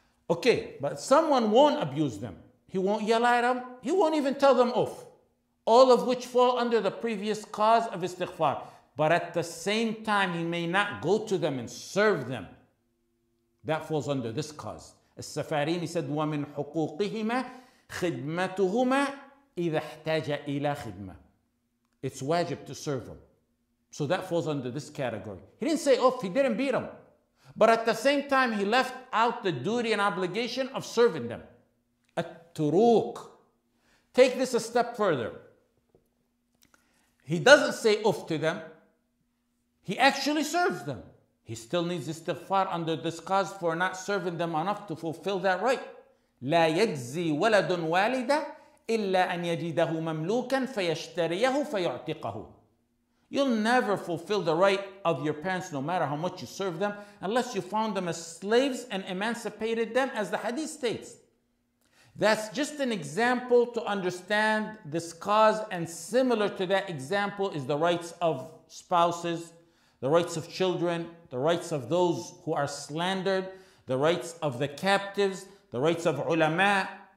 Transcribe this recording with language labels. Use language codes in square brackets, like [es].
[en] Okay, but someone won't abuse them. He won't yell at them. He won't even tell them off. All of which fall under the previous cause of istighfar. But at the same time, he may not go to them and serve them. That falls under this cause. As-Safarini said, [ar] وَمِنْ حُقُوقِهِمَا خِدْمَتُهُمَا إِذَا احْتَاجَ إِلَى خِدْمَةٍ. [en] It's wajib to serve them. So that falls under this category. He didn't say off, he didn't beat them. But at the same time, he left out the duty and obligation of serving them. At-turuq. Take this a step further. He doesn't say off to them. He actually serves them. He still needs istighfar under this cause for not serving them enough to fulfill that right. [ar] لا يجزي ولد والدة إلا أن يجده مملوكا فيشتريه فيعتقه. [en] You'll never fulfill the right of your parents no matter how much you serve them unless you found them as slaves and emancipated them, as the hadith states. That's just an example to understand this cause, and similar to that example is the rights of spouses, the rights of children, the rights of those who are slandered, the rights of the captives, the rights of ulama.